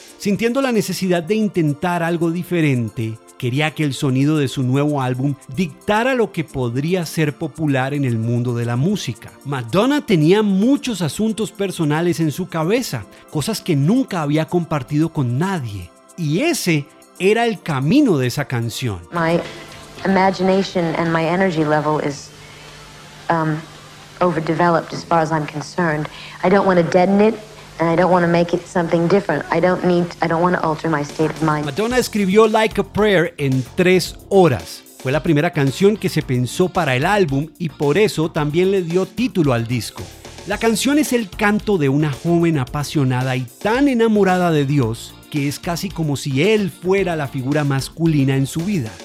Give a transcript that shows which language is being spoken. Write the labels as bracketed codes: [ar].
[es] Sintiendo la necesidad de intentar algo diferente, quería que el sonido de su nuevo álbum dictara lo que podría ser popular en el mundo de la música. Madonna tenía muchos asuntos personales en su cabeza, cosas que nunca había compartido con nadie. Y ese era el camino de esa canción. [en] My imagination and my energy level is overdeveloped as far as I'm concerned. I don't want to deaden it and I don't want to make it something different. I don't want to alter my state of mind. [es] Madonna escribió Like a Prayer en 3 horas. Fue la primera canción que se pensó para el álbum y por eso también le dio título al disco. La canción es el canto de una joven apasionada y tan enamorada de Dios que es casi como si él fuera la figura masculina en su vida.